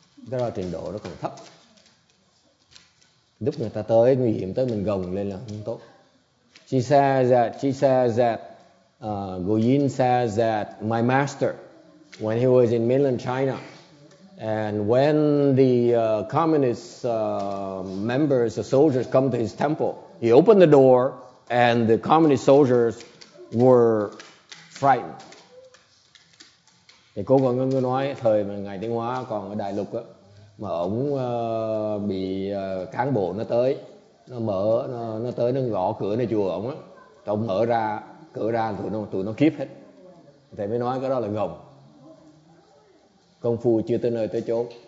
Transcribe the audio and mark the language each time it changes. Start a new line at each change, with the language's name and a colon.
Vietnamese: Cái đó trình độ nó còn thấp. Lúc người ta tới nguy hiểm tới mình gồng lên là không tốt.
English: She says that Gu Yin says that my master, when he was in mainland China, and when the communist members, the soldiers come to his temple, he opened the door and the communist soldiers were frightened.
Vietnamese: Thì cô còn cứ nói thời mà ngày Tiếng Hóa còn ở Đại Lục á, mà ổng bị cán bộ nó tới, nó mở, nó tới nó gõ cửa nơi chùa ổng á, ổng mở ra cửa ra tụi nó kiếp hết. Thầy mới nói cái đó là gồng, công phu chưa tới nơi tới chốn.